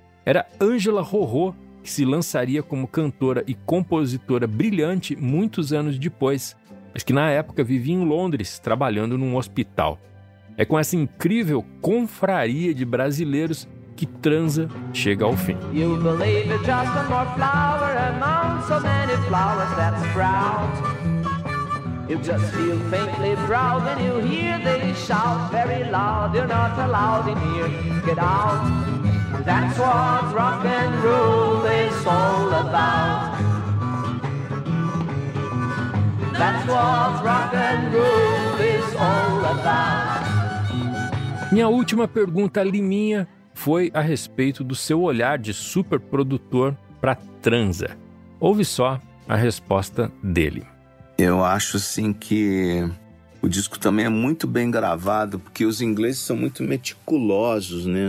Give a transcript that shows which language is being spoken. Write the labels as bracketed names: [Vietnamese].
[Portuguese] Era Ângela Rorô, que se lançaria como cantora e compositora brilhante muitos anos depois, mas que na época vivia em Londres, trabalhando num hospital. É com essa incrível confraria de brasileiros que Transa chega ao fim. [English] You believe it's just one more flower among so many flowers that sprout. You just feel faintly proud when you hear they shout very loud. You're not allowed in here, get out. That's what rock and roll is all about. That's what rock and roll is all about. [Portuguese] Minha última pergunta, Liminha, foi a respeito do seu olhar de super produtor para Transa. Ouve só a resposta dele. Eu acho assim que o disco também é muito bem gravado, porque os ingleses são muito meticulosos, né?